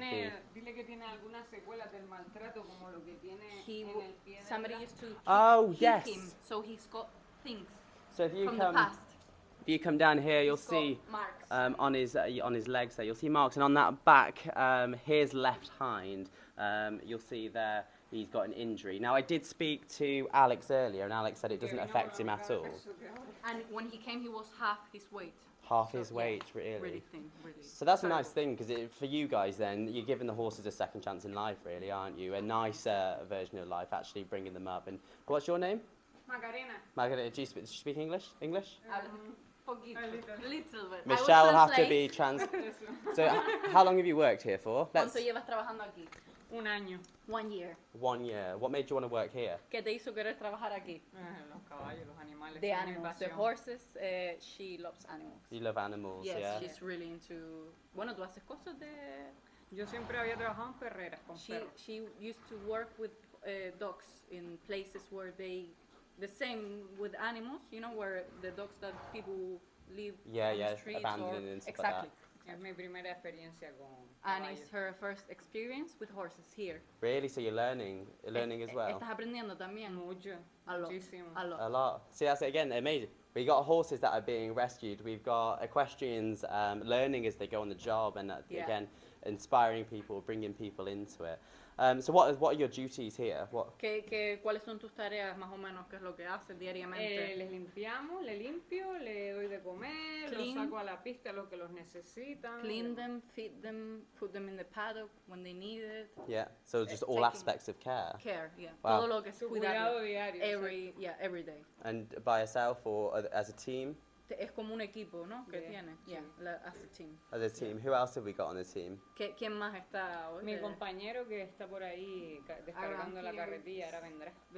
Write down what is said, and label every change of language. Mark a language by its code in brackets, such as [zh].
[es] dile que tiene alguna secuela del maltrato como lo que tiene en el pie. [en] Somebody used to kick him, so he's got things. So if you from come the past. If you come down here, you'll see on his legs there, you'll see marks. And on that back, his left hind, you'll see there he's got an injury. Now, I did speak to Alex earlier, and Alex said it doesn't affect him at all. And when he came, he was half his weight. Half his weight, really. Really thin, really. So that's a nice thing, because for you guys then, you're giving the horses a second chance in life, really, aren't you? A nicer version of life, actually bringing them up. And what's your name? Magarena. Magarena, do you speak English? English? A little bit. Michelle will have to be translated. So, how long have you worked here for? [es] ¿Cuánto llevas trabajando aquí? Un año. [en] 1 year. 1 year. What made you want to work here? [es] ¿Qué te hizo querer trabajar aquí? Los caballos, los animales. [en] The animals, the horses. She loves animals. You love animals, yes, yeah. Yes, she's really into... Bueno, tú haces cosas de... [es] Yo siempre había trabajado en perreras, con perros. [en] She used to work with dogs in places where they... The same with animals, you know, where the dogs that people leave on the streets. Abandoned or, and stuff exactly. Like that. [es] Mi primera experiencia con [en] and it's her first experience with horses here. Really? So you're learning? Learning as well? [es] Estás aprendiendo también. Mucho. [en] A lot. [es] Muchísimo. [en] A lot. A lot. See, that's it again. Amazing. We got horses that are being rescued. We've got equestrians learning as they go on the job and, again, inspiring people, bringing people into it. So what are your duties here? [es] ¿Cuáles son tus tareas más o menos? ¿Qué es lo que haces diariamente? Les limpiamos, le limpio, le doy de comer, [en] clean, [es] los saco a la pista lo que los necesitan. [en] Clean them, feed them, put them in the paddock when they need it. Yeah, so just all aspects of care. Care, yeah. Wow. [es] Todo lo que es cuidado diario. [en] Every day. And by yourself or as a team? [es] Es como un equipo, ¿no? Que tiene. [en] Yeah, as a team. As a team. Yeah. Who else have we got on the team? [es] ¿Quién más está hoy? Mi compañero que está por ahí descargando la carretilla, ahora vendrá.